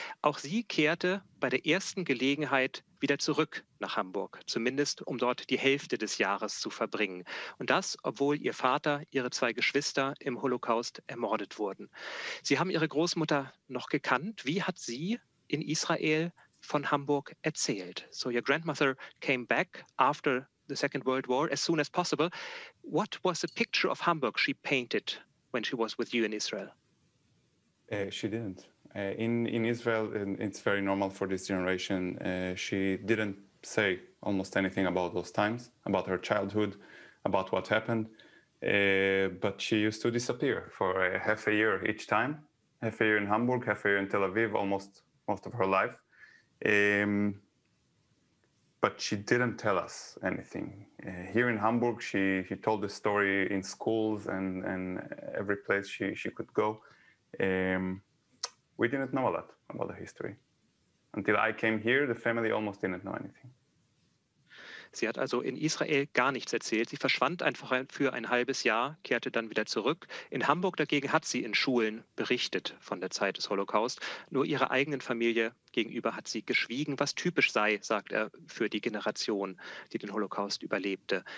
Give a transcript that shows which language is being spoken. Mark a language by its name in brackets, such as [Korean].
[German] Auch sie kehrte bei der ersten Gelegenheit wieder zurück nach Hamburg, zumindest um dort die Hälfte des Jahres zu verbringen. Und das, obwohl ihr Vater, ihre zwei Geschwister im Holocaust ermordet wurden. Sie haben Ihre Großmutter noch gekannt. Wie hat sie in Israel von Hamburg erzählt? [English] So your grandmother came back after the Second World War as soon as possible. What was the picture of Hamburg she painted when she was with you in Israel? She didn't. In Israel, it's very normal for this generation. She didn't say almost anything about those times, about her childhood, about what happened. But she used to disappear for half a year each time, half a year in Hamburg, half a year in Tel Aviv, almost most of her life, but she didn't tell us anything. Here in Hamburg, she told the story in schools and every place she could go. We didn't know a lot about the history. Until I came here, the family almost didn't know anything. [German] Sie hat also in Israel gar nichts erzählt. Sie verschwand einfach für ein halbes Jahr, kehrte dann wieder zurück. In Hamburg dagegen hat sie in Schulen berichtet von der Zeit des Holocaust. Nur ihrer eigenen Familie gegenüber hat sie geschwiegen, was typisch sei, sagt er, für die Generation, die den Holocaust überlebte.